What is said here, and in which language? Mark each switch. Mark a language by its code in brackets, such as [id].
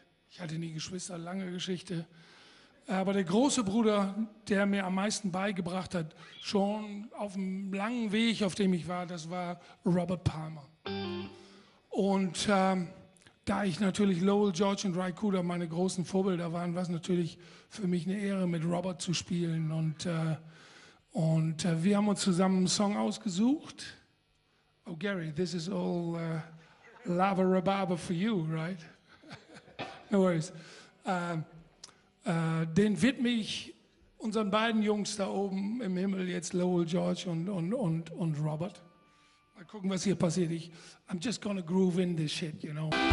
[de] Ich hatte nie Geschwister, lange Geschichte. Aber der große Bruder, der mir am meisten beigebracht hat, schon auf dem langen Weg, auf dem ich war, das war Robert Palmer. Und da ich natürlich Lowell, George und Ry Cooder meine großen Vorbilder waren, war es natürlich für mich eine Ehre, mit Robert zu spielen. Und wir haben uns zusammen einen Song ausgesucht. [en] Oh Gary, this is all lava rhabarber for you, right? No worries. [de] Den widme ich unseren beiden Jungs da oben im Himmel, jetzt Lowell, George und Robert. Mal gucken, was hier passiert. [en] I'm just gonna groove in this shit, you know.